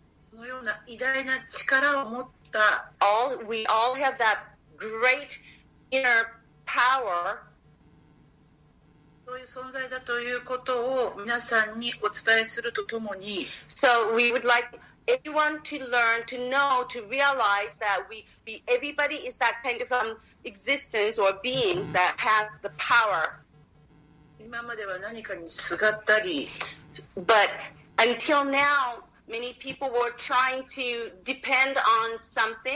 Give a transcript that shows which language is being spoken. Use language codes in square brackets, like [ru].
[ja] そのような偉大な力を持った、 [en] we all have that great inner power, [ja] そういう存在だということを皆さんにお伝えするとともに、 [en] so we would like everyone to learn, to know, to realize that everybody is that kind of existence or beings that has the power. [ja] 今までは何かにすがったり、 [en] But until now, many people were trying to depend on something,